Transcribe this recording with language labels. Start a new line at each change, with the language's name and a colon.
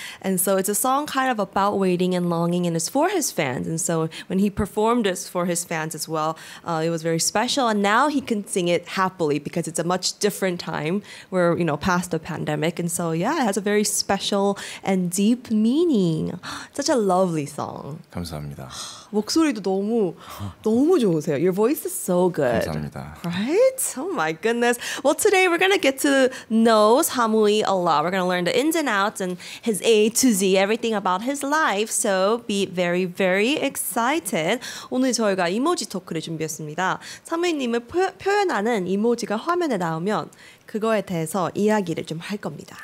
English: And so it's a song kind of about waiting and longing, and it's for his fans. And so when he performed it for his fans as well, it was very special. And now he can sing it happily because it's a much different time, where, you know, past the pandemic. And so yeah, it has a very special and deep meaning. Such a lovely song.
Korean: 감사합니다. 목소리도 너무 너무 좋으세요.
English: Your voice is so good.
Korean: 감사합니다.
English: Right? Oh my goodness. Well, today we're gonna get to know Hamui a lot. We're gonna learn the ins and outs and his A to Z, everything about his life. So be very, very excited.
Korean: 오늘 저희가 이모지 토크를 준비했습니다. 사무이님을 표현하는 이모지가 화면에 나오면 그거에 대해서 이야기를 좀 할 겁니다.